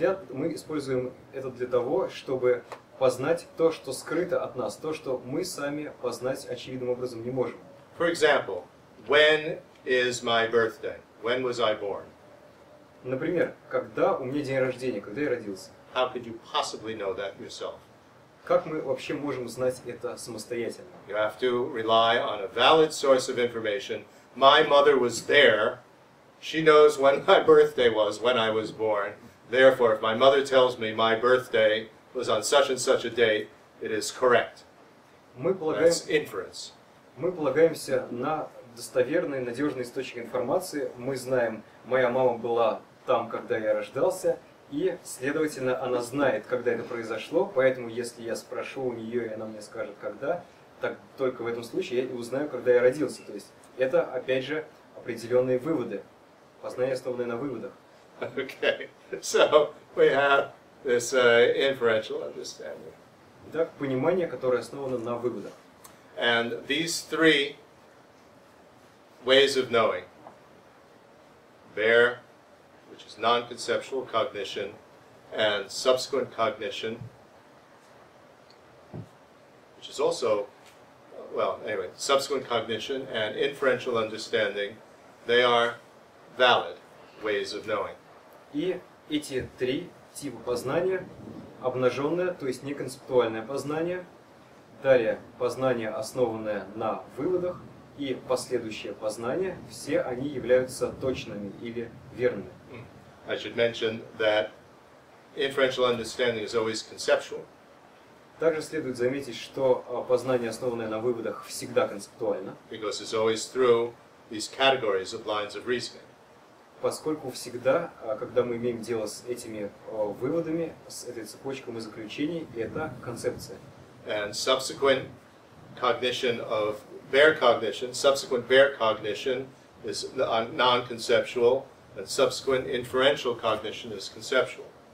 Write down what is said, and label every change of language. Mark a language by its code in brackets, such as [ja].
[ru] Мы используем это для того, чтобы познать то, что скрыто от нас, то, что мы сами познать очевидным образом не можем. [en] For example, when is my birthday? When was I born? [ru] Например, когда у меня день рождения, когда я родился? [en] How could you possibly know that yourself? [ru] Как мы вообще можем знать это самостоятельно? [en] You have to rely on a valid source of information. My mother was there. She knows when my birthday was, when I was born. Therefore, if my mother tells me my birthday was on such and such a date, it is correct. That's inference. [ru] Мы полагаемся на достоверный, надежный источник информации. Мы знаем, моя мама была там, когда я рождался, и, следовательно, она знает, когда это произошло, поэтому, если я спрошу у нее, и она мне скажет, когда, так только в этом случае я и узнаю, когда я родился. То есть, это, опять же, определенные выводы, познание, основанное на выводах. [en] Okay, so we have this inferential understanding. [ru] Итак, понимание, которое основано на выводах. [en] And these three ways of knowing, bare, which is non-conceptual cognition, and subsequent cognition, which is also, well, anyway, subsequent cognition and inferential understanding, they are valid ways of knowing. [ru] И эти три типа познания, обнаженное, то есть неконцептуальное познание, далее познание, основанное на выводах, и последующее познание, все они являются точными или верными. [en] I should mention that inferential understanding is always conceptual. [ru] Также следует заметить, что познание, основанное на выводах, всегда концептуально. [en] Because it's always through these categories of lines of reasoning. [ru] Поскольку всегда, когда мы имеем дело с этими выводами, с этой цепочкой мы заключений, это концепция. [en] And subsequent cognition of bare cognition, subsequent bare cognition is non-conceptual, and subsequent inferential cognition is conceptual.